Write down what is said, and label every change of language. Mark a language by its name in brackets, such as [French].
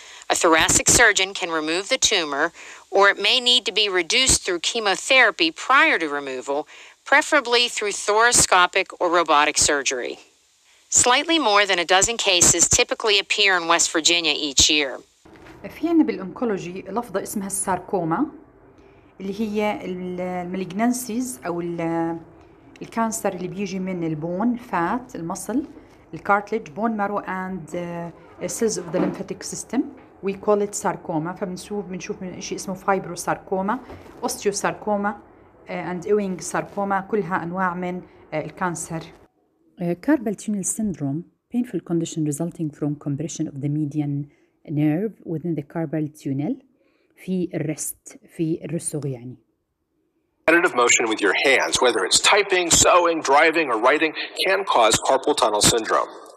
[English] A thoracic surgeon can remove the tumor, or it may need to be reduced through chemotherapy prior to removal, preferably through thoracoscopic or robotic surgery. Slightly more than a dozen cases typically appear in West Virginia each year. [Arabic] في عنا بالأنكولوجي لفظة اسمها الساركوما اللي هي الماليجنانسيز أو الكانسر اللي بيجي من البون فات المصل الكارتليج بون مارو [English] and cells of the lymphatic system. We call it sarcoma. [Arabic] فبنشوف من شيء اسمه [English] fibrosarcoma, osteosarcoma and Ewing sarcoma, [Arabic] كلها أنواع من الكانسر. [English] Carpal tunnel syndrome, painful condition resulting from compression of the median nerve within the carpal tunnel. [Arabic] في الرست, في الرسوغ يعني. [English] Repetitive motion with your hands, whether it's typing, sewing, driving, or writing, can cause carpal tunnel syndrome.